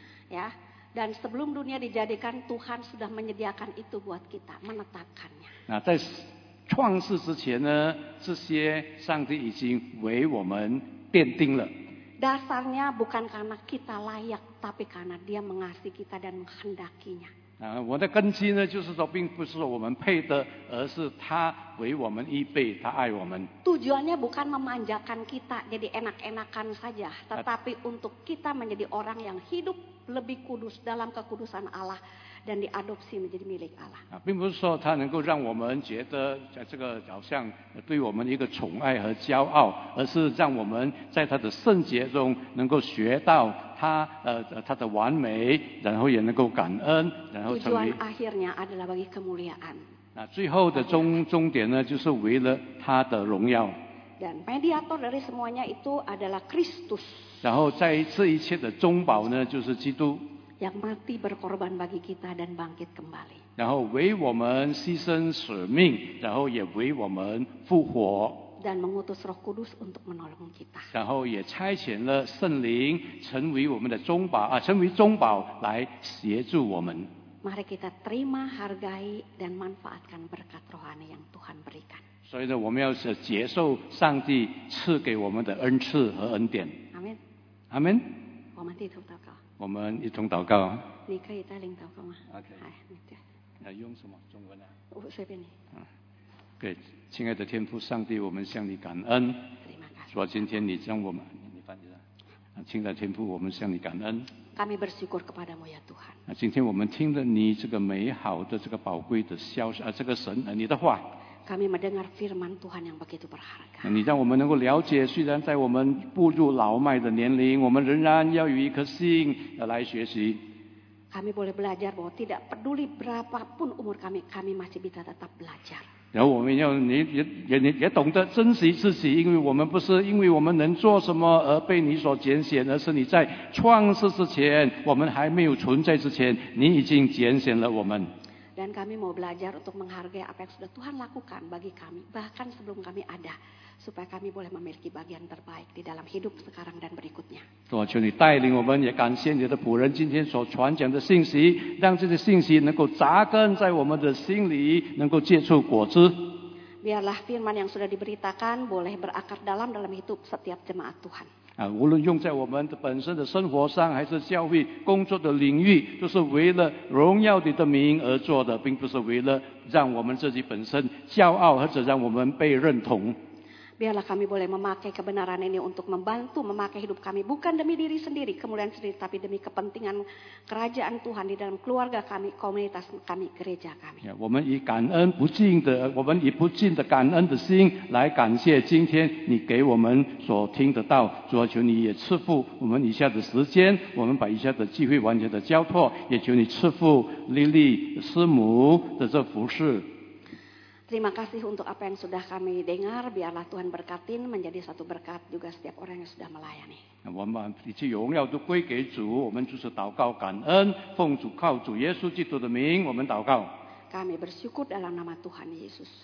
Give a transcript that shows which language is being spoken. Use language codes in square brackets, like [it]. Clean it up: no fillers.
[id] Ya. Dan sebelum dunia dijadikan, Tuhan sudah menyediakan itu buat kita, menetapkannya. [zh] 在创世之前呢，这些上帝已经为我们奠定了。 [id] Dasarnya bukan karena kita layak, tapi karena Dia mengasihi kita dan menghendakinya. [zh] 我的根基呢，就是说，并不是说我们配得，而是他为我们预备，他爱我们。 [id] Tujuannya bukan memanjakan kita jadi enak-enakan saja, tetapi untuk kita menjadi orang yang hidup. Lebih kudus dalam kekudusan Allah dan diadopsi menjadi milik Allah. [zh] 并不是说它能够让我们觉得这个好像对我们一个宠爱和骄傲，而是让我们在它的圣洁中能够学到它它的完美，然后也能够感恩，然后成为。 [id] Tujuan akhirnya adalah bagi kemuliaan. [zh] 那最后的终点呢，就是为了它的荣耀。 [id] Dan mediator dari semuanya itu adalah Kristus. [zh] 然后在这一切的中保呢，就是基督。 [id] Yang mati berkorban bagi kita dan bangkit kembali. [zh] 然后为我们牺牲舍命，然后也为我们复活。 [id] Dan mengutus Roh Kudus untuk menolong kita. [zh] 然后也差遣了圣灵成为我们的中保成为中保来协助我们。 [id] Mari kita terima, hargai dan manfaatkan berkat rohani yang Tuhan berikan. [zh] 所以呢，我们要是接受上帝赐给我们的恩赐和恩典。阿门。阿门。我们一同祷告。我们一同祷告。你可以带领祷告吗？OK。哎，你讲。用什么中文啊？我随便你。对，亲爱的天父上帝，我们向你感恩。主啊，今天你将我们，你翻译了。亲爱的天父，我们向你感恩。 [id] Kami bersyukur kepadamu ya Tuhan。 [zh] 今天我们听了你这个美好的、这个宝贵的消息这个神你的话。 [id] Kami mendengar firman Tuhan yang begitu berharga. [zh] 你让我们能够了解，虽然在我们步入老迈的年龄，我们仍然要有一颗心来学习。 [id] Kami boleh belajar bahwa tidak peduli berapapun umur kami, kami masih bisa tetap belajar. [zh] 然后我们要也懂得珍惜自己，因为我们不是因为我们能做什么而被你所拣选，而是你在创世之前，我们还没有存在之前，你已经拣选了我们。 [id] Dan kami mau belajar untuk menghargai apa yang sudah Tuhan lakukan bagi kami, bahkan sebelum kami ada, supaya kami boleh memiliki bagian terbaik di dalam hidup sekarang dan berikutnya. [zh] 主啊，求你带领我们，也感谢你的仆人今天所传讲的信息，让这些信息能够扎根在我们的心里，能够结出果子。 [id] Biarlah firman yang sudah diberitakan boleh berakar dalam dalam hidup setiap jemaat Tuhan. [zh] 啊，无论用在我们本身的生活上，还是教会工作的领域，都是为了荣耀你的名而做的，并不是为了让我们自己本身骄傲，或者让我们被认同。 [id] Biarlah kami boleh memakai kebenaran ini untuk membantu memakai hidup kami bukan demi diri sendiri, kemuliaan sendiri, tapi demi kepentingan kerajaan Tuhan di dalam keluarga kami, komunitas kami, gereja kami. [zh] Ya, 我们以感恩不尽的，我们以不尽的感恩的心来感谢今天你给我们所听得到。主啊，求你也赐福我们以下的时间，我们把以下的机会完全的交托，也求你赐福莉莉师母的这服事。 [id] Terima kasih untuk apa yang sudah kami dengar. Biarlah Tuhan berkatin menjadi satu berkat juga setiap orang yang sudah melayani. [zh] 我们一切荣耀都归给主，我们就是祷告感恩，奉主靠主耶稣基督的名，我们祷告。 [id] Kami bersyukur dalam nama Tuhan Yesus.